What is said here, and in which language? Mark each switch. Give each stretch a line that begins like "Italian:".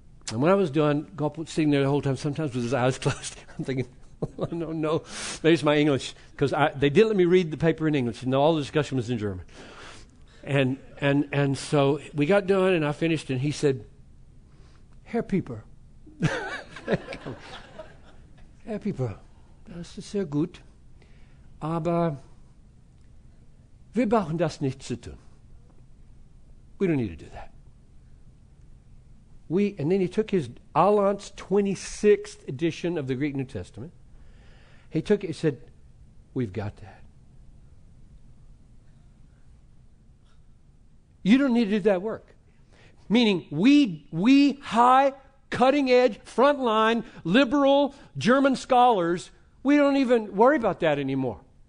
English: And when I was done, Goppelt sitting there the whole time, sometimes with his eyes closed, I'm thinking, oh, no. Maybe it's my English, because they didn't let me read the paper in English. And all the discussion was in German. And so we got done, and I finished, and he said, Herr Pieper.
German: Herr Pieper, das ist sehr gut. Aber wir brauchen das nicht zu tun.
English: We don't need to do that. And then he took his Allant's 26th edition of the Greek New Testament. He took it and said, we've got that. You don't need to do that work. Meaning we high, cutting edge, frontline, liberal German scholars, we don't even worry about that anymore.